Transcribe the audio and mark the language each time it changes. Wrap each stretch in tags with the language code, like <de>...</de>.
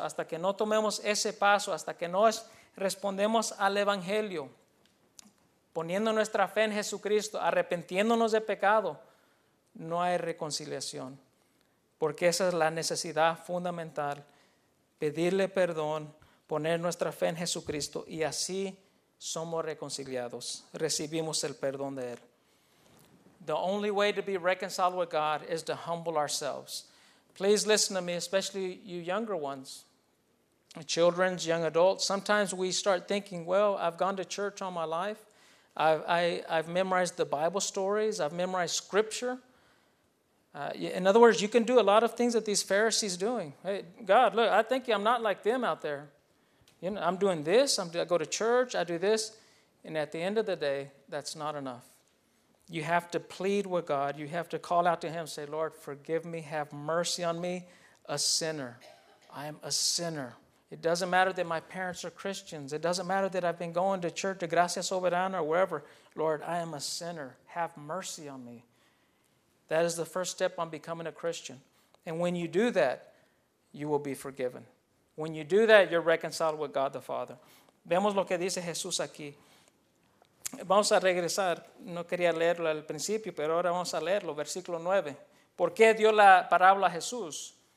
<es>Hasta que no tomemos ese paso, hasta que no respondemos al Evangelio, poniendo nuestra fe en Jesucristo, arrepintiéndonos de pecado, no hay reconciliación. Porque esa es la necesidad fundamental, pedirle perdón, poner nuestra fe en Jesucristo y así somos reconciliados, recibimos el perdón de Él.</es> <en>The only way to be reconciled with God is to humble ourselves. Please listen to me, especially you younger ones, children, young adults. Sometimes we start thinking, well, I've gone to church all my life. I've memorized the Bible stories. I've memorized scripture. In other words, you can do a lot of things that these Pharisees are doing. Hey, God, look, I think I'm not like them out there. You know, I'm doing this. I go to church. I do this. And at the end of the day, that's not enough. You have to plead with God. You have to call out to Him. Say, Lord, forgive me. Have mercy on me. A sinner. I am a sinner. It doesn't matter that my parents are Christians. It doesn't matter that I've been going to church, to Gracia Soberana or wherever. Lord, I am a sinner. Have mercy on me. That is the first step on becoming a Christian. And when you do that, you will be forgiven. When you do that, you're reconciled with God the Father.</en> <es>Vemos lo que dice Jesús aquí. Vamos a regresar. No quería leerlo al principio, pero ahora vamos a leerlo. Versículo 9. ¿Por qué dio la parábola a Jesús?</es>